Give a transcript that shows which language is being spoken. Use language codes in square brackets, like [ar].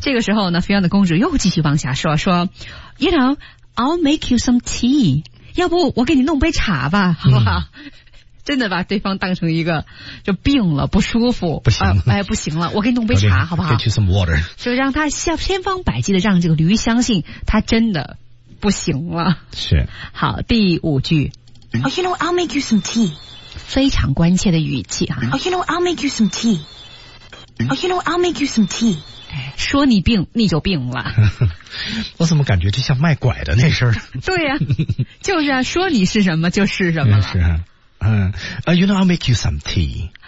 [zh] 这个时候呢，菲奥的公主又继续往下说，说 ， [en] You know, I'll make you some tea. [zh] 要不我给你弄杯茶吧，好不好？嗯，真的把对方当成一个就病了，不舒服，不行了，不行了，我给你弄杯茶， [en] okay, [zh] 好不好 [en] ？Get you some water. [zh] 就让他千方百计的让这个驴相信他真的。不行了，是好第五句。 [en] Oh, you know, I'll make you some tea. [zh] 非常关切的语气啊。 [en] Oh, you know, I'll make you some tea. Oh, you know, I'll make you some tea. [zh] 说你病，你就病了。我怎么感觉就像卖拐的那事儿？对呀，啊，就是啊，说你是什么就是什么了。是啊， [en] you know, I'll make you some tea.